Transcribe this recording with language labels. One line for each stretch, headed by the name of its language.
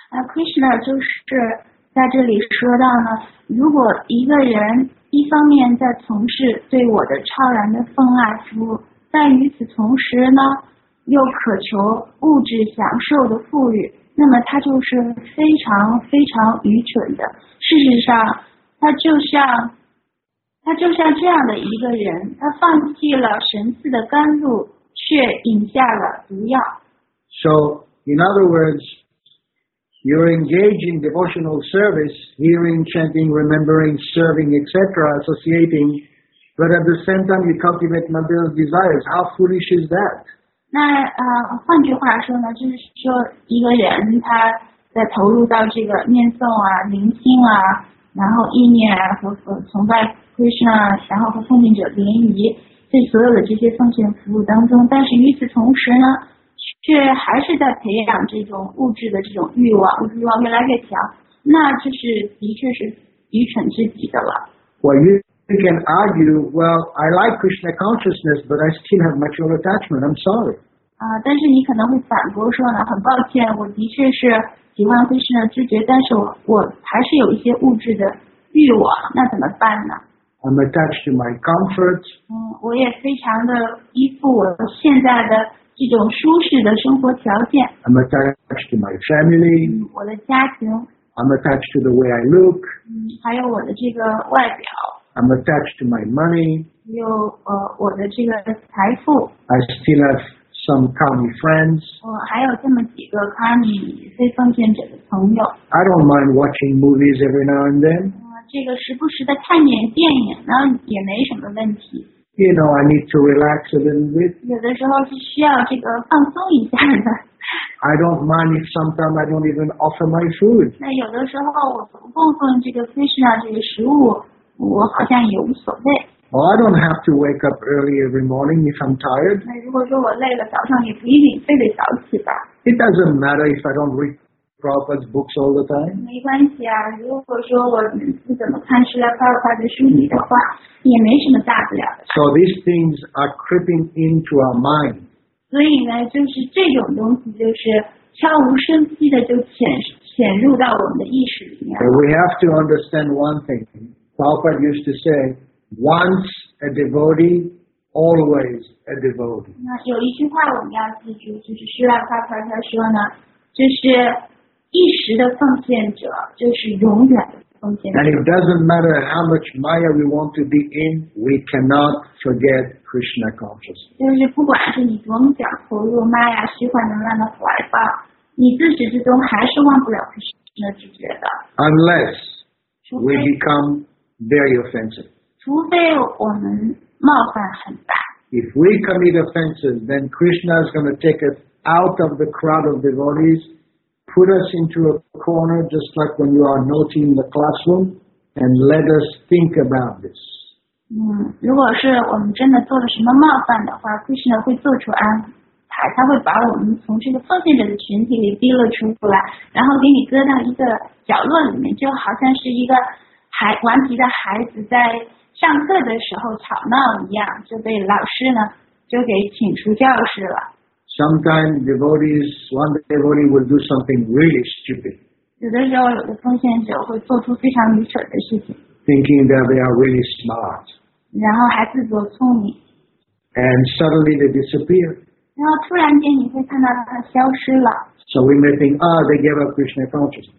Chinese: Krishna 就是在这里说到呢，如果一个人一方面在从事对我的超然的奉爱服务，但与此同时呢，又渴求物质享受的富裕，那么他就是非常非常愚蠢的。事实上，他就像这样的一个人，他放弃了神赐的甘露，却饮下了毒药。
English: So, in other words, you're engaged in devotional service, hearing, chanting, remembering, serving, etc., associating, but at the same time you cultivate material desires. How foolish is that?
Chinese: 那换句话说呢，就是说一个人他在投入到这个念诵啊、聆听啊，然后意念啊和崇拜 Krishna， 然后和奉献者联谊，这所有的这些奉献服务当中，但是与此同时呢，却还是在培养这种物质的这种欲望，物质欲望越来越强，那就是的确是愚蠢至极的了。
English: You can argue, well, I like Krishna consciousness, but I still have material attachment. I'm sorry.
Chinese: 但是你可能会反驳说呢，很抱歉，我的确是喜欢 Krishna 知觉，但是我还是有一些物质的欲望，那怎么办呢？
English: I'm attached to my comfort.
Chinese: 我也非常的依附我现在的这种舒适的生活条件。
English: I'm attached to my family.
Chinese: 我的家庭。
English: I'm attached to the way I look.
Chinese: 还有我的这个外表。
English: I'm attached to my money.
Chinese: 有我的这个财富。
English: I still have some kami friends.
Chinese: 我还有这么几个 kami 非奉献者的朋友。
English: I don't mind watching movies every now and then.
Chinese: 这个时不时的看点电影呢也没什么问题。
English: You know, I need to relax a little bit.
Chinese: 有的时候是需要这个放松一下的。
English: I don't mind if sometimes I don't even offer my food.
Chinese: 那有的时候我不奉送这个 Krishna 这个食物。我好像也无所谓。
English: Well, I don't have to wake up early every morning if I'm tired.
Chinese: 那如果说我累了，早上也不一定非得早起吧。
English: It doesn't matter if I don't read Prabhupada's books all the time.
Chinese: 没关系啊，如果说我不怎么看Srila Prabhupada的书籍的话，也没什么大不了的。
English: So these things are creeping into our mind.
Chinese: 所以呢，就是这种东西就是悄无声息的就潜入到我们的意识里面。
English: We have to understand one thing. Prabhupada used to say, once a devotee, always a devotee.
Chinese: 那有一句话我们要记住，就是Srila Prabhupada他说呢，就是一时的奉献者，就是永远的奉献者。
English: And it doesn't matter how much Maya we want to be in, we cannot forget Krishna consciousness.
Chinese: 就是不管是你多么想投入Maya虚幻能量的怀抱，你自始至终还是忘不了Krishna知觉的。
English: Unless we become very offensive.
Chinese: 除非我们冒犯很大。
English: If we commit offenses, then Krishna is going to take us out of the crowd of devotees, put us into a corner, just like when you are naughty in the classroom, and let us think about this.
Chinese: 如果是我们真的做了什么冒犯的话， Krishna 会做出安排，他会把我们从这个奉献者的群体里逼了出来，然后给你搁到一个角落里面，就好像是一个顽皮的孩子在上课的时候吵闹一样，就被老师呢就给请出教室了。
English: Sometimes devotees, one devotee will do something really stupid.
Chinese: 有的时候，有的奉献者会做出非常愚蠢的事情。
English: Thinking that they are really smart.
Chinese: 然后还自作聪明。
English: And suddenly they disappear.
Chinese: 然后突然间你会看到他消失了。
English: So we may think, ah, they gave up Krishna consciousness.